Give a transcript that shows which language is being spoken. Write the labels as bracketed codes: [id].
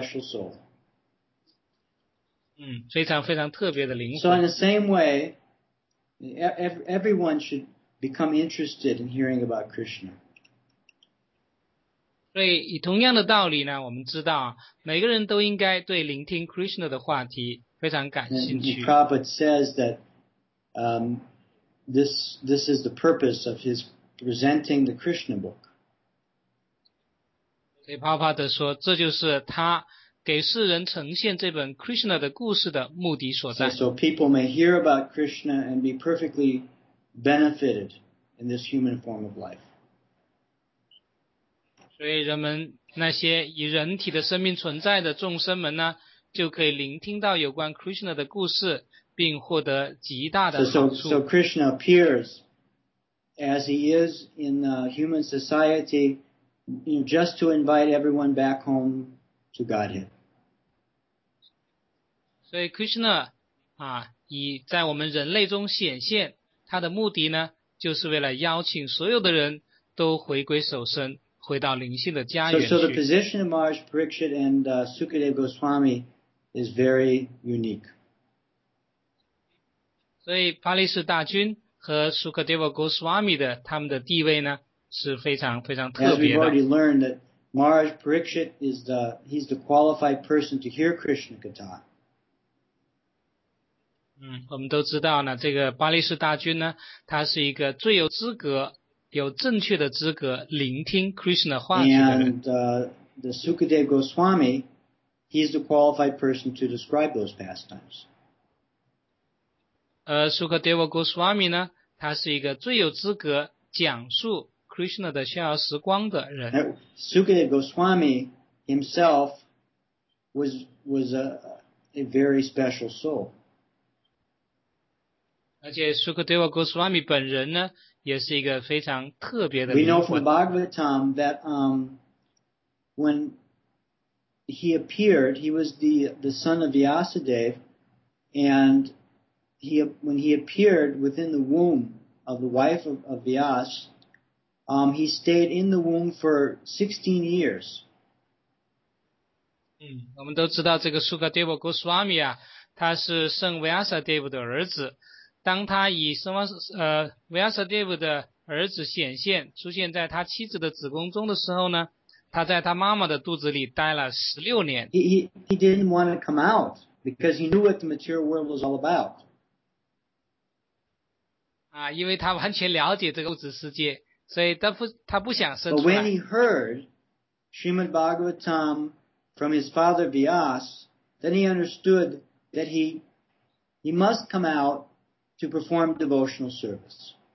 [en] Very special soul. [zh] 非常非常特别的灵魂。 [en] So in the same way, everyone should become interested in hearing about Krishna. [zh] 所以以同样的道理呢，我们知道每个人都应该对聆听 Krishna 的话题非常感兴趣。 [en] Prabhupada says that this is the purpose of his presenting the Krishna book. [zh] 所以 Prabhupada 说，这就是他给世人呈现这本 Krishna 的故事的目的所在。 [en] So people may hear about Krishna and be perfectly benefited in this human form of life. [zh] 所以人们那些以人体的生命存在的众生们呢，就可以聆听到有关 Krishna 的故事，并获得极大的好处。 [en] So Krishna appears as he is in human society, you know, just to invite everyone back home to Godhead. [zh] 所以 Krishna 以在我们人类中显现，他的目的呢，就是为了邀请所有的人都回归首身。回到灵性的家园去。 [en] So the position of Maharaj Parikshit and Sukadeva Goswami is very unique. [zh] 所以巴利士大军和 Sukadeva Goswami 的他们的地位呢是非常非常特别的。 [en] As we've already learned that Maharaj Parikshit is he's the qualified person to hear Krishna Katha. [zh] 我们都知道呢，这个巴利士大军呢，他是一个最有资格。有正确的资格聆听 Krishna 话语的人。 [en] And the Sukadeva Goswami, he's the qualified person to describe those pastimes. [zh] Sukadeva Goswami 呢，他是一个最有资格讲述 Krishna 的逍遥时光的人。 [en] Sukadeva Goswami himself was a very special soul. [zh] 而且苏克德瓦·戈斯瓦米本人呢，也是一个非常特别的灵魂。 [en] We know from Bhagavatam that when he appeared, he was the son of Vyasadeva, and when he appeared within the womb of the wife of Vyas, he stayed in the womb for 16 years. [zh] 嗯，我们都知道这个苏克德瓦·戈斯瓦米啊，他是圣维亚萨德夫的儿子。当他以圣维亚萨德夫的儿子显现，出现在他妻子的子宫中的时候呢，他在他妈妈的肚子里待了16年。 [en] He didn't want to come out because he knew what the material world was all about. [zh] 啊，因为他完全了解这个物质世界，所以他不想生出来。 [en] But when he heard Srimad Bhagavatam from his father Vyas, then he understood that he must come out to perform devotional service.